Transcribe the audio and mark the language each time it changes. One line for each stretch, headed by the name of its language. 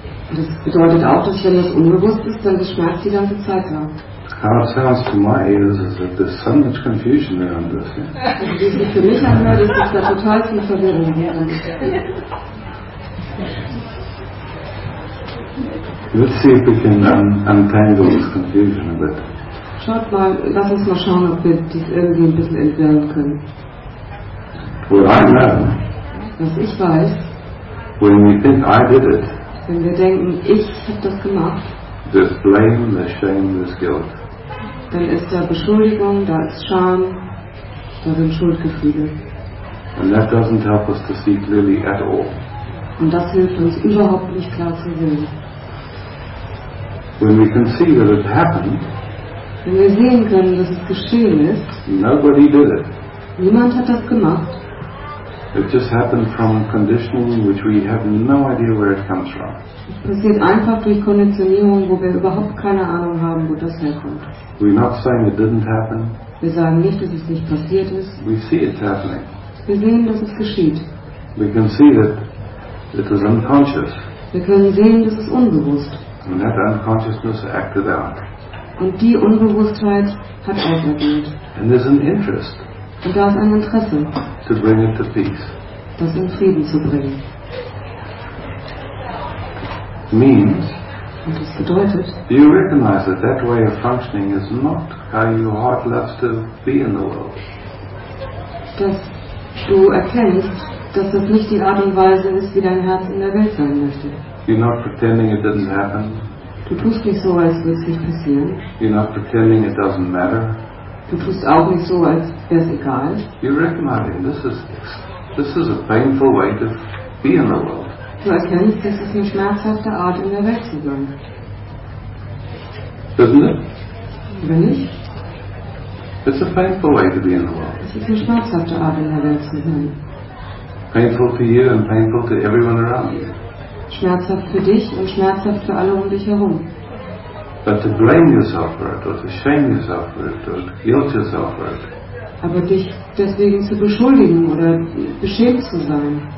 German: Das bedeutet auch, dass wenn das unbewusst ist, dann das schmerzt die ganze Zeit lang.
English: How it sounds to my ears is that there's so much confusion around this.
German: Wie sich für mich anhört, ist das total viel Verwirrung hier.
English: Let's see if we can untangle this confusion a bit.
German: Schaut mal, lass uns mal schauen, ob wir dies irgendwie ein bisschen entwirren können.
English: What I know.
German: Was ich weiß.
English: When we think I did it.
German: Wenn wir denken, ich habe das gemacht.
English: There's blame, there's shame, there's guilt.
German: Dann ist da Beschuldigung, da ist Scham, da sind Schuldgefühle.
English: And that doesn't help us to see clearly at all.
German: Und das hilft uns überhaupt nicht klar zu sehen.
English: When we can see that it happened,
German: wenn wir sehen können, dass es geschehen ist,
English: nobody did it.
German: Niemand hat das gemacht.
English: It just happened from conditioning, which we have no idea where it comes from.
German: Es passiert einfach durch Konditionierung, wo wir überhaupt keine Ahnung haben, wo das herkommt.
English: We're not saying it didn't happen.
German: Wir sagen nicht, dass es nicht passiert ist.
English: We see it happening.
German: Wir sehen, dass es geschieht.
English: We can see that it is unconscious.
German: Wir können sehen, dass es unbewusst.
English: And that unconsciousness acted out.
German: Und die Unbewusstheit hat ausgewirkt.
English: And there's an interest.
German: Und da ist ein Interesse.
English: To bring it to peace.
German: Das in Frieden zu bringen.
English: Means.
German: Und das bedeutet,
English: do you recognize that that way of functioning is not how your heart loves to be in the world?
German: Dass du erkennst, dass das nicht die Art und Weise ist, wie dein Herz in der Welt sein möchte.
English: You're not pretending it didn't happen.
German: Du tust nicht so, als würde es nicht passieren.
English: You're not pretending it doesn't matter.
German: Du tust auch nicht so, als wäre es egal.
English: You're recognizing this is a painful way to be in the world.
German: Du erkennst, das ist eine schmerzhafte Art, in der Welt zu sein.
English: Isn't it?
German: Wenn nicht.
English: It's a painful way to be in the world.
German: Es ist eine schmerzhafte Art, in der Welt zu sein.
English: Painful to you and painful to everyone around you.
German: Schmerzhaft für dich und schmerzhaft für alle um dich herum.
English: But to blame yourself for it, or to shame yourself for it, or to guilt yourself for it.
German: Aber dich deswegen zu beschuldigen oder beschämt zu sein.